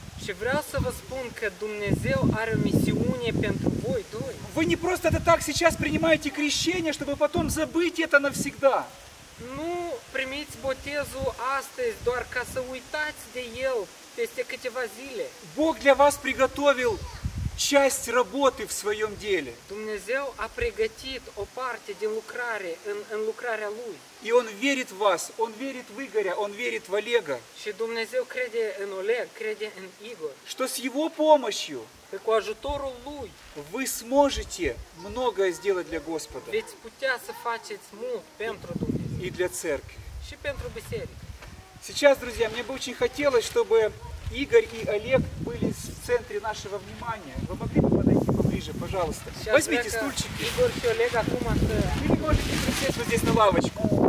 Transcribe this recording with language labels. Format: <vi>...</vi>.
<ro>Și vreau să vă spun că Dumnezeu are o misiune pentru voi doi.</ro> <ru>Вы не просто это так сейчас принимаете крещение, чтобы потом забыть это навсегда.</ru> <ro>Nu primiți botezul astăzi doar ca să uitați de el peste câteva zile.</ro> <ru>Бог для вас приготовил часть работы в своем деле.</ru> <ro>Dumnezeu a pregătit o parte din lucrare în lucrarea lui.</ro> <ru>И он верит в вас, он верит в Игоря, он верит в Олега.</ru> <ro>Și Dumnezeu crede în Oleg, crede în Igor.</ro> <ru>Что с его помощью?</ru> <ro>Că cu ajutorul lui</ro> <ru>вы сможете многое сделать для Господа.</ru> <ro>Veți putea să faceți mult pentru Dumnezeu.</ro> <ru>И для церкви.</ru> <ro>Și pentru biserică.</ro> <ru>Сейчас, друзья, мне бы очень хотелось, чтобы Игорь и Олег были в центре нашего внимания. Вы могли бы подойти поближе, пожалуйста? Сейчас возьмите стульчики. Игорь и Олег, акум, а ты... Или можете присесть вот здесь на лавочку.</ru>